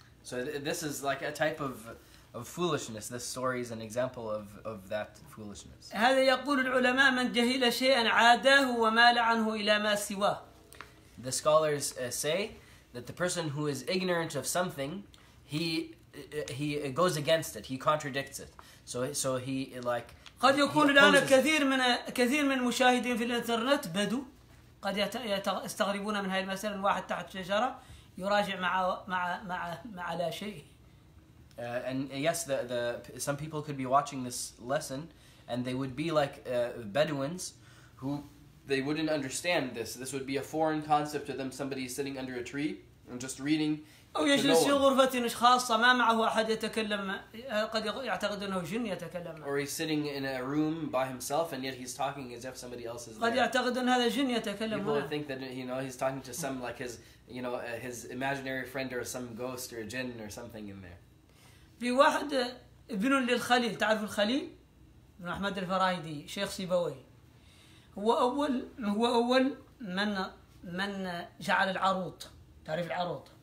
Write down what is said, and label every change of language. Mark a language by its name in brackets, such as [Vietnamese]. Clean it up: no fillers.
[English] So this is like a type of foolishness. This story is an example of that foolishness. [Arabic] هذا يقول العلماء من جهل شيئا عاده ومال عنه إلى ما سواه. [English] The scholars say that the person who is ignorant of something, he goes against it. He contradicts it. So he like. [Arabic] قد يكون الآن كثير من المشاهدين في الإنترنت بدو. قد يستغربون من هذه المسألة واحد تحت شجرة يراجع مع مع مع مع لا شيء. [English] And yes, the some people could be watching this lesson, and they would be like Bedouins, who they wouldn't understand this. This would be a foreign concept to them. Somebody is sitting under a tree and just reading. [Arabic] أو يجلس في غرفة خاصة ما معه أحد يتكلم قد يعتقد أنه جن يتكلم. [English] Or he's sitting in a room by himself and yet he's talking as if somebody else is there. [Arabic] قد يعتقد أن هذا جن يتكلم. [English] People think that you know he's talking to some like his you know his imaginary friend or some ghost or a jinn or something in there. [Arabic] في واحد ابن للخليل تعرف الخليل ابن أحمد الفرايدي شيخ سيبوي هو أول من جعل العروض تعرف العروض.